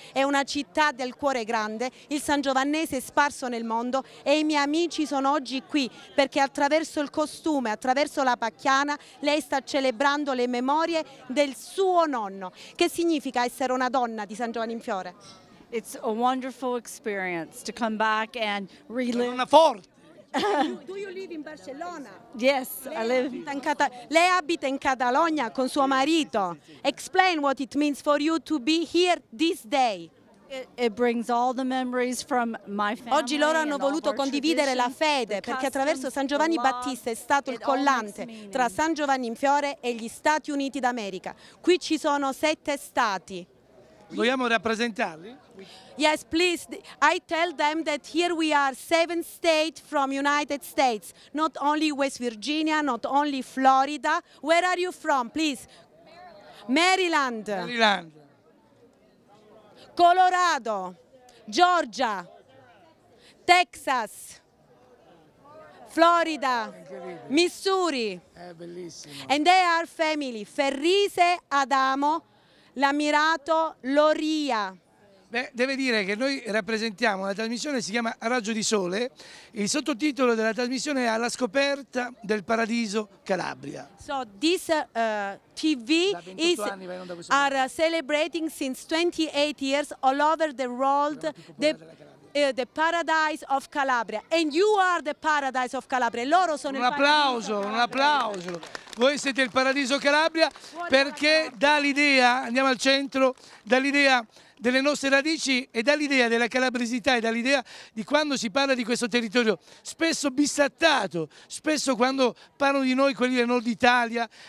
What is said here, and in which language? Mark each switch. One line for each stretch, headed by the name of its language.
Italian: È una città del cuore grande, il sangiovannese è sparso nel mondo. E i miei amici sono oggi qui perché attraverso il costume, attraverso la pacchiana, lei sta celebrando le memorie del suo nonno. Che significa essere una donna di San Giovanni in Fiore?
English: It's a wonderful experience to come back and relive.
Italian: Una forte.
English: Do you live in Barcelona? Yes, I live.
Italian: Lei abita in Catalogna con suo marito.
English: Explain what it means for you to be here this day. It brings all the memories from my family.
Italian: Oggi loro hanno voluto condividere la fede perché attraverso San Giovanni Battista è stato il collante tra San Giovanni in Fiore e gli Stati Uniti d'America. Qui ci sono 7 stati. Vogliamo rappresentarli?
English: Yes, please. I tell them that here we are 7 states from United States, not only West Virginia, not only Florida. Where are you from, please? Maryland. Maryland. Colorado, Georgia, Texas, Florida, Missouri.
Italian: È bellissimo.
English: And they are family. Ferrise, Adamo, l'ammirato Loria.
Italian: Beh, deve dire che noi rappresentiamo una trasmissione, si chiama Raggio di Sole. Il sottotitolo della trasmissione è Alla scoperta del paradiso Calabria.
English: So this TV is are celebrating since 28 years all over the world the paradise of Calabria. And you are the paradise of Calabria.
Italian: Loro sono un applauso. Voi siete il paradiso Calabria perché dà l'idea, andiamo al centro, dà l'idea delle nostre radici e dall'idea della calabresità e dall'idea di quando si parla di questo territorio spesso bistrattato, spesso quando parlano di noi quelli del nord Italia